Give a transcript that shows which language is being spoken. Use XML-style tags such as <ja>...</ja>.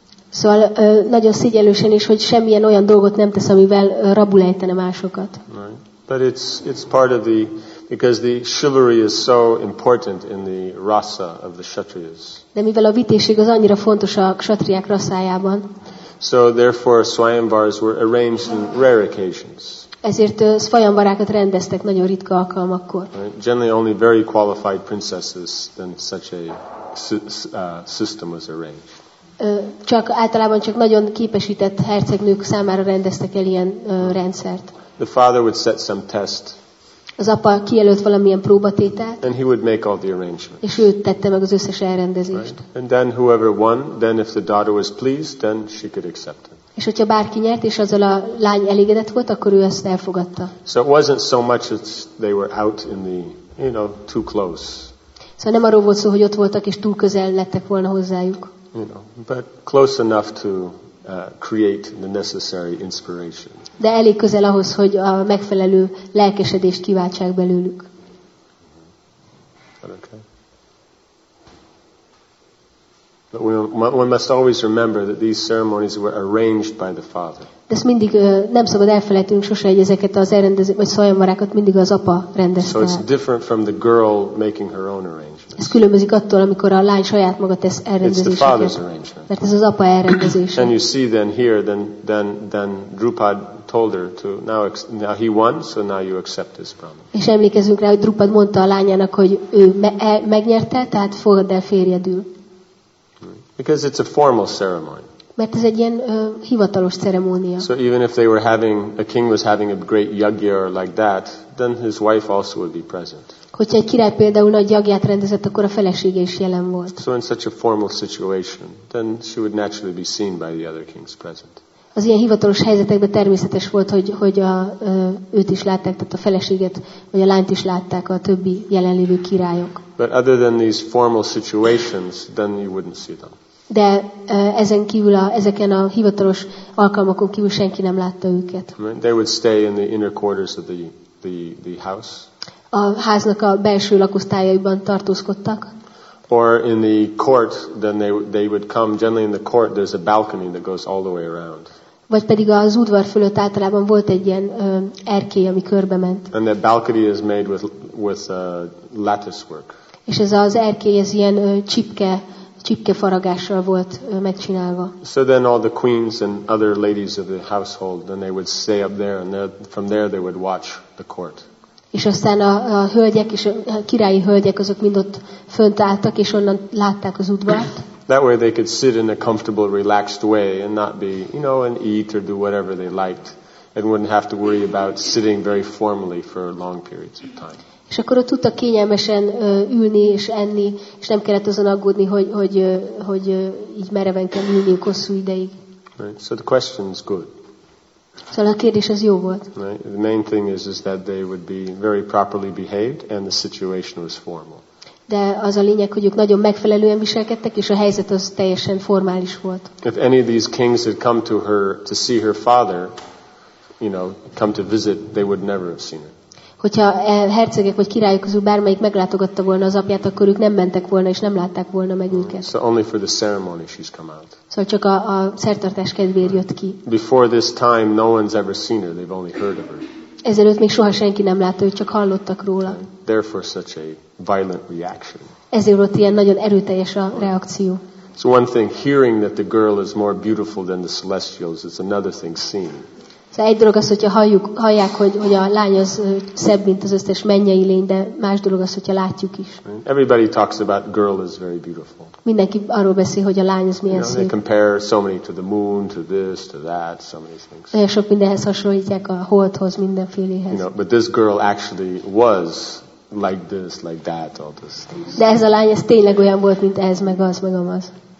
<hu>Szóval nagyon szégyellősen is, hogy semmilyen olyan dolgot nem tesz, amivel rabul ejtene másokat.</hu> <en>Right. But it's part of the, because the chivalry is so important in the rasa of the kshatriyas.</en> <hu>De mivel a vitézség az annyira fontos a kshatriyák rasszájában.</hu> <en>So therefore swayamvaras were arranged in rare occasions.</en> <hu>Ezért szvajanvarákat rendeztek nagyon ritka alkalmakkor.</hu> <en>Right. Generally only very qualified princesses then such a system was arranged.</en> <hu>Csak általában csak nagyon képesített hercegnők számára rendeztek el ilyen rendszert.</hu> <en>The father would set some test.</en> <hu>Az apa kijelölt valamilyen próbatételt.</hu> <en>And he would make all the arrangements.</en> <hu>És ő tette meg az összes elrendezést.</hu> <en>Right. And then whoever won, then if the daughter was pleased, then she could accept it.</en> <hu>És hogyha bárki nyert és azzal a lány elégedett volt, akkor ő ezt elfogadta.</hu> <en>So it wasn't so much as they were out in the, you know, too close.</en> <hu>Szóval nem arról volt szó, hogy ott voltak és túl közel lettek volna hozzájuk.</hu> <en>You know, but close enough to create the necessary inspiration.</en> <hu>De elég közel ahhoz, hogy a megfelelő lelkesedést kiváltsák belőlük.</hu> <en>Okay. But we must always remember that these ceremonies were arranged by the father.</en> <hu>De ezt mindig nem szabad elfelejtünk sose, hogy ezeket az elrendezők vagy szvajamvarákat mindig az apa rendezte.</hu> <en>So it's different from the girl making her own arrangements.</en> <hu>Ez különbözik attól, amikor a lány saját maga tesz elrendezéseket.</hu> <en>It's the father's arrangement.</en> <hu>Mert ez az apa elrendezése.</hu> <en>And you see then here, then Drupad told her to, now he won, so now you accept his promise.</en> <hu>És emlékezzünk rá, hogy Drupad mondta a lányának, hogy ő megnyerte, tehát fogad el férjedül.</hu> <en>Because it's a formal ceremony.</en> <hu>Mert ez egy ilyen hivatalos ceremónia.</hu> <en>So even if they were having, a king was having a great yagya or like that, then his wife also would be present.</en> <hu>Hogyha egy király például nagy yagyát rendezett, akkor a felesége is jelen volt.</hu> <en>So in such a formal situation, then she would naturally be seen by the other kings present.</en> <hu>Az ilyen hivatalos helyzetekben természetes volt, hogy a őt is látták, tehát a feleséget vagy a lányt is látták a többi jelenlévő királyok.</hu> <en>But other than these formal situations, then you wouldn't see them.</en> <hu>De ezen kívül ezeken a hivatalos alkalmakon kívül senki nem látta őket.</hu> <en>They would stay in the inner quarters of the house.</en> <hu>A háznak a belső lakosztályaiban tartózkodtak.</hu> <en>Or in the court, then they would come generally in the court. There's a balcony that goes all the way around.</en> <hu>Vagy pedig az udvar fölött általában volt egy ilyen erkély, ami körbe ment.</hu> <en>And that balcony is made with lattice work.</en> <hu>És ez az erkély ez ilyen csipkefaragással volt megcsinálva.</hu> <en>So then all the queens and other ladies of the household, then they would stay up there, and from there they would watch the court.</en> <hu>És aztán a hölgyek és a királyi hölgyek azok mind ott fönt álltak és onnan látták az udvart.</hu> <en>That way they could sit in a comfortable, relaxed way and not be, you know, and eat or do whatever they liked and wouldn't have to worry about sitting very formally for long periods of time.</en> <hu>És akkor ott tudta kényelmesen ülni és enni, és nem kellett azon aggódni, hogy így mereven kell ülni hosszú ideig.</hu> <en>Right. So the question is good.</en> <hu>Szóval a kérdés az jó volt.</hu> <en>Right. The main thing is that they would be very properly behaved and the situation was formal.</en> <hu>De az a lényeg, hogy ők nagyon megfelelően viselkedtek, és a helyzet az teljesen formális volt.</hu> <en>If any of these kings had come to her to see her father, you know, come to visit, they would never have seen her.</en> <hu>Hogyha hercegek vagy királyok közül bármelyik meglátogatta volna az apját, akkor ők nem mentek volna és nem látták volna meg őket.</hu> <en>So only for the ceremony she's come out.</en> <hu>Szóval csak a szertartás kedvéért jött ki.</hu> <en>Before this time, no one's ever seen her. They've only heard of her.</en> <hu>Ezelőtt még soha senki nem látta, csak hallottak róla.</hu> <en>Therefore such a violent reaction.</en> <hu>Ezért volt ilyen nagyon erőteljes a reakció.</hu> <en>So one thing, hearing that the girl is more beautiful than the celestials, it's another thing seeing.</en> <hu>Szóval egy dolog az, hogyha hallják, hogy a lány az szebb, mint az összes mennyei lény, de más dolog az, hogyha látjuk is.</hu> <en>Everybody talks about girl is very beautiful.</en> <hu>Mindenki arról beszél, hogy a lány az milyen szép.</hu> <en>They compare so many to the moon, to this, to that, so many things.</en> <hu>Nagyon sok mindenhez hasonlítják, a holdhoz, mindenféléhez.</hu> <en>But this girl actually was like this, like that, all those things.</en> <hu>De ez a lány, ez tényleg olyan volt, mint ez, meg az, meg amaz.</hu>